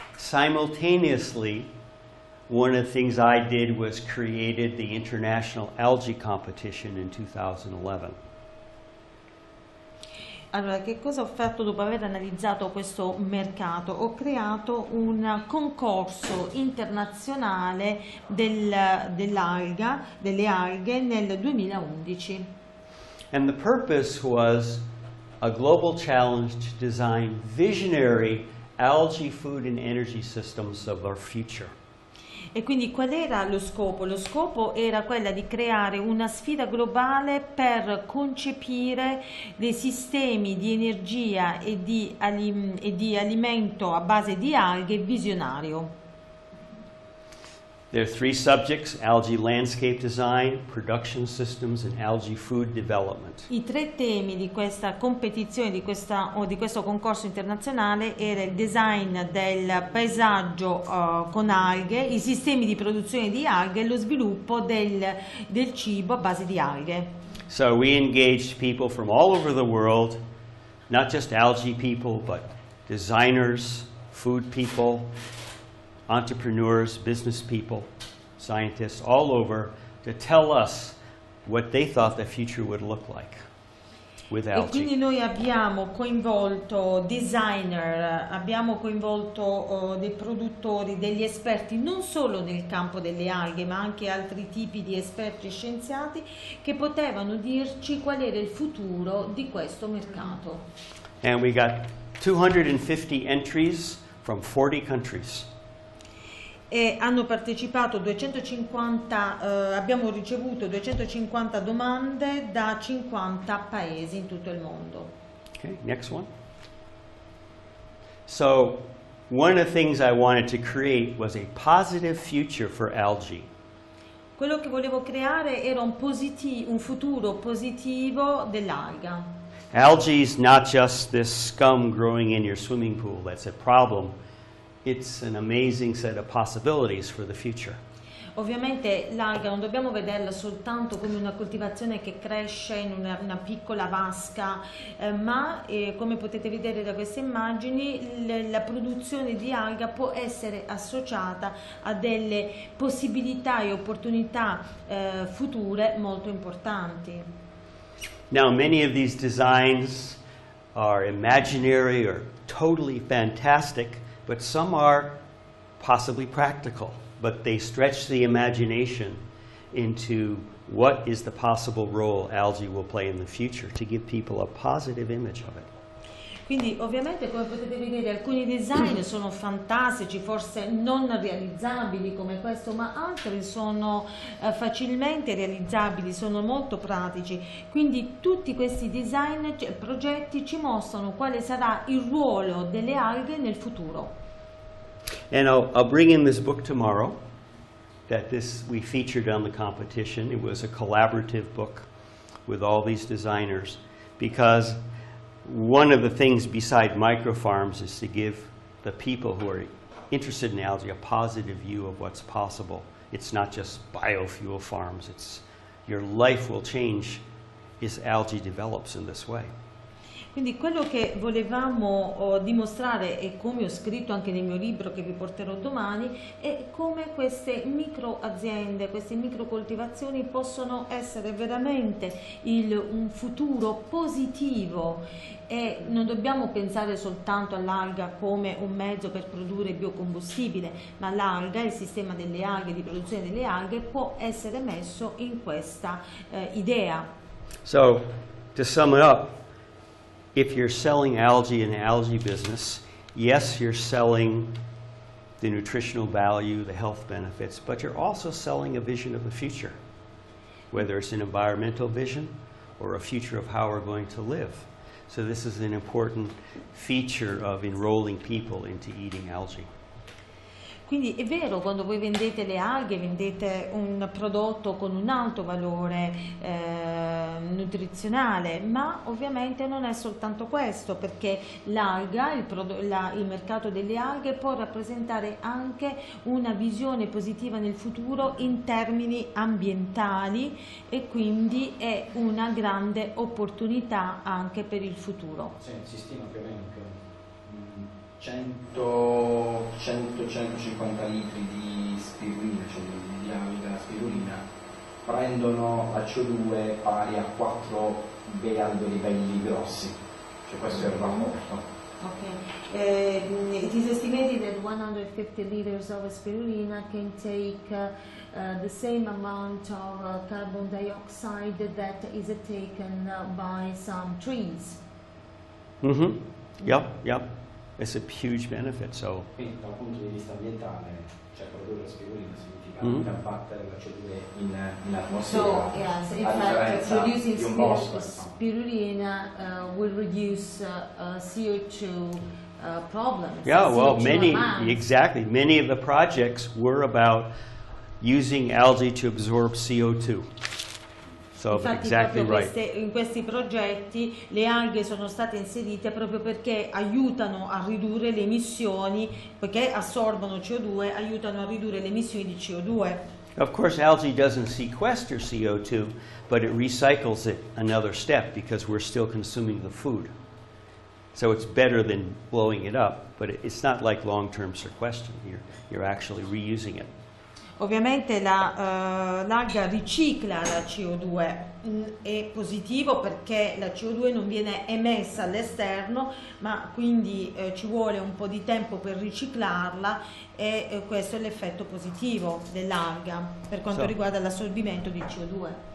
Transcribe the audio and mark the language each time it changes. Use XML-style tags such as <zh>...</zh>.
<en>Simultaneously, one of the things I did was created the International Algae Competition in 2011.</en> <it>Allora, che cosa ho fatto dopo aver analizzato questo mercato? Ho creato un concorso internazionale dell'alga, delle alghe nel 2011.</it> <en>And the purpose was a global challenge to design visionary algae food and energy systems of our future.</en> <it>E quindi qual era lo scopo? Lo scopo era quella di creare una sfida globale per concepire dei sistemi di energia e di alimento a base di alghe visionario.</it> <en>There are three subjects: algae landscape design, production systems, and algae food development.</en> <it>I tre temi di questa competizione, di questo concorso internazionale, era il design del paesaggio con alghe, i sistemi di produzione di alghe e lo sviluppo del cibo a base di alghe.</it> <en>So we engaged people from all over the world, not just algae people, but designers, food people, entrepreneurs, business people, scientists all over to tell us what they thought the future would look like with algae.</en> <it>E quindi noi abbiamo coinvolto designer, abbiamo coinvolto dei produttori, degli esperti non solo nel campo delle alghe, ma anche altri tipi di esperti e scienziati che potevano dirci qual era il futuro di questo mercato.</it> <en>And we got 250 entries from 40 countries.</en> <it>E hanno partecipato 250, abbiamo ricevuto 250 domande da 50 paesi in tutto il mondo.</it> <en>Okay, next one. So, one of the things I wanted to create was a positive future for algae.</en> <it>Quello che volevo creare era un futuro positivo dell'alga.</it> <en>Algae is not just this scum growing in your swimming pool, that's a problem. It's an amazing set of possibilities for the future.</en> <it>Ovviamente l'alga non dobbiamo vederla soltanto come una coltivazione che cresce in una piccola vasca, ma come potete vedere da queste immagini, la produzione di alga può essere associata a delle possibilità e opportunità future molto importanti.</it> <en>Now, many of these designs are imaginary or totally fantastic. But some are possibly practical, but they stretch the imagination into what is the possible role algae will play in the future to give people a positive image of it.</en> <it>Quindi ovviamente, come potete vedere, alcuni design sono fantastici, forse non realizzabili come questo, ma altri sono facilmente realizzabili, sono molto pratici. Quindi tutti questi design progetti ci mostrano quale sarà il ruolo delle alghe nel futuro.</it> <en>And I'll bring in this book tomorrow that this we featured on the competition. It was a collaborative book with all these designers, because one of the things beside microfarms is to give the people who are interested in algae a positive view of what's possible. It's not just biofuel farms. It's your life will change if algae develops in this way.</en> <it>Quindi quello che volevamo dimostrare, e come ho scritto anche nel mio libro che vi porterò domani, è come queste micro aziende, queste micro coltivazioni possono essere veramente un futuro positivo, e non dobbiamo pensare soltanto all'alga come un mezzo per produrre biocombustibile, ma l'alga, il sistema delle alghe, di produzione delle alghe, può essere messo in questa idea.</it> <en>So, to sum it up, if you're selling algae in the algae business, yes, you're selling the nutritional value, the health benefits, but you're also selling a vision of the future, whether it's an environmental vision or a future of how we're going to live. So this is an important feature of enrolling people into eating algae.</en> <it>Quindi è vero, quando voi vendete le alghe, vendete un prodotto con un alto valore nutrizionale, ma ovviamente non è soltanto questo, perché l'alga, il mercato delle alghe può rappresentare anche una visione positiva nel futuro in termini ambientali, e quindi è una grande opportunità anche per il futuro. Sì, si stima più o meno 100-150 litri di spirulina, cioè di alga spirulina, prendono la CO2 pari a 4 bei alberi belli grossi, cioè questo è il rapporto.</it> <en>It is estimated that 150 liters of spirulina can take the same amount of carbon dioxide that is taken by some trees. Mm-hmm. Yep, yep. It's a huge benefit, so.</en> <it>Quindi dal punto di vista ambientale, cioè produrre spirulina significa abbattere la cellule in atmosfera.</it> <en>So, yes, in fact, producing spirulina will reduce CO2 problems. Yeah, well, CO2 many, amounts. Exactly. Many of the projects were about using algae to absorb CO2. So,</en> <it>infatti,</it> <en>exactly</en> <it>proprio</it> <en>right.</en> <it>In questi progetti le alghe sono state inserite proprio perché aiutano a ridurre le emissioni, perché assorbono CO2, aiutano a ridurre le emissioni di CO2.</it> <en>Of course, algae doesn't sequester CO2, but it recycles it another step because we're still consuming the food. So it's better than blowing it up, but it's not like long-term sequestration. You're actually reusing it.</en> <it>Ovviamente l'alga ricicla la CO2, è positivo perché la CO2 non viene emessa all'esterno, ma quindi ci vuole un po' di tempo per riciclarla e questo è l'effetto positivo dell'alga per quanto riguarda l'assorbimento di CO2.</it>